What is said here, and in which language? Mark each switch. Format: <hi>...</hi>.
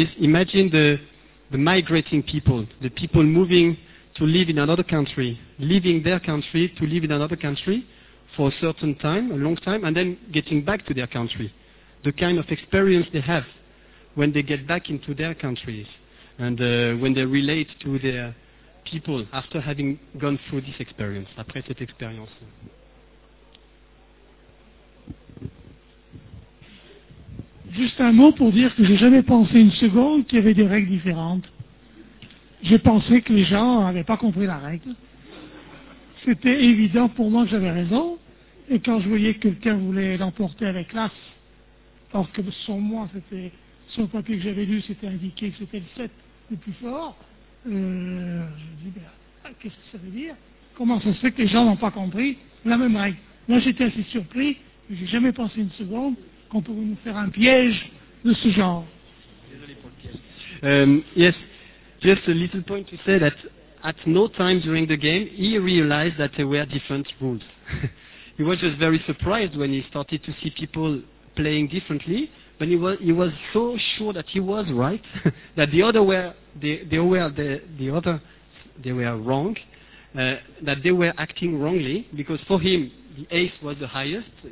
<en>Is imagine the migrating people, the people moving to live in another country, leaving their country to live in another country for a certain time, a long time, and then getting back to their country. The kind of experience they have when they get back into their countries and when they relate to their people after having gone through this experience,</en> <fr>après cette expérience. Juste un mot pour dire que j'ai jamais pensé une seconde qu'il y avait des règles différentes. J'ai pensé que les gens n'avaient pas compris la règle. C'était évident pour moi que j'avais raison, et quand je voyais que quelqu'un voulait l'emporter avec l'as, alors que sur moi c'était... Sur le papier que j'avais lu, c'était indiqué que c'était le 7 le plus fort. Je me dis, qu'est-ce que ça veut dire? Comment ça se fait que les gens n'ont pas compris la même règle? Là, j'étais assez surpris, je n'ai jamais pensé une seconde qu'on pourrait nous faire un piège de ce genre. Désolé pour le piège.</fr> <en>Yes, just a little point to say that at no time during the game, he realized that there were different rules. He was just very surprised when he started to see people playing differently. But he was so sure that he was right, that the other were wrong, that they were acting wrongly, because for him the ace was the highest.</en>